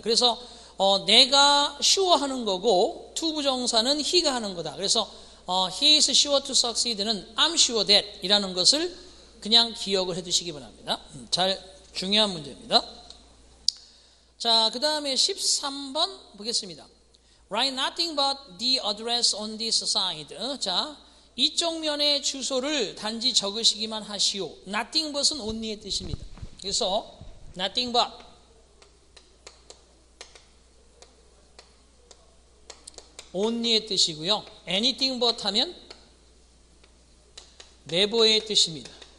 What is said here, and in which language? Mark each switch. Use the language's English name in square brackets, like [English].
[Korean] 그래서 내가 sure 하는 거고 to 부정사는 he가 하는 거다. 그래서 [English] He is sure to succeed [Korean] 는 [English] I'm sure that [Korean] 이라는 것을 그냥 기억을 해두시기 바랍니다. 잘 중요한 문제입니다. 자, 그 다음에 13번 보겠습니다. [English] Write nothing but the address on this side. [Korean] 자, 이쪽 면의 주소를 단지 적으시기만 하시오. Nothing but은 only의 뜻입니다. 그래서 nothing but. 온리의 뜻이고요. anything but 하면 never의 뜻입니다.